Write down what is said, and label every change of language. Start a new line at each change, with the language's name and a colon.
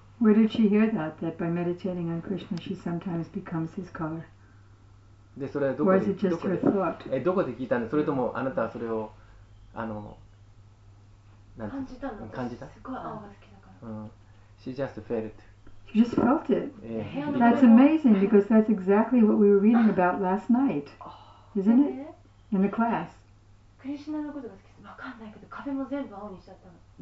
English: Where did she hear that by meditating on Krishna she sometimes becomes his color?
Japanese: で、それはどこで、どこで、
English: or is it just her thought?
Japanese: どこで聞いたんです？それともあなたはそれを感じたの？感じた？すごい青が好きだから。
English: She just felt it. She just felt it. That's amazing because that's exactly what we were reading about last night. Isn't it? In the class.
Japanese: クリシュナのことが好きです。わかんないけど壁も全部青にしちゃったの。